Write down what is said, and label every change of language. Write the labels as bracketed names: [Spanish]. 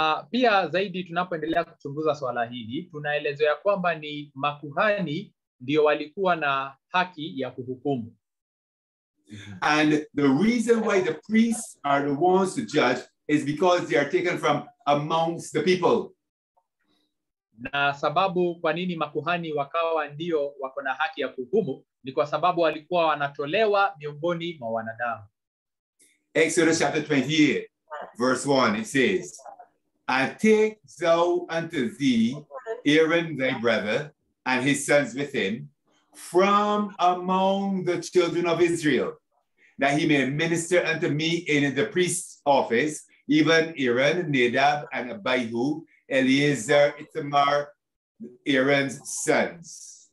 [Swahili] Pia zaidi tunapoendelea kuchunguza swala hili, tunaelezea kwamba ni makuhani ndio walikuwa na haki ya kuhukumu. [English] And the reason why the priests are the ones to judge is because they are taken from amongst the people. [Swahili] Na sababu kwa nini makuhani wakawa ndio wako na haki ya kuhukumu ni kwa sababu walikuwa wanatolewa miongoni mwa wanadamu. [English] Exodus chapter 20 verse 1, it says, and take thou unto thee Aaron thy brother and his sons with him from among the children of Israel, that he may minister unto me in the priest's office, even Aaron, Nadab, and Abihu, Eleazar, Itamar, Aaron's sons.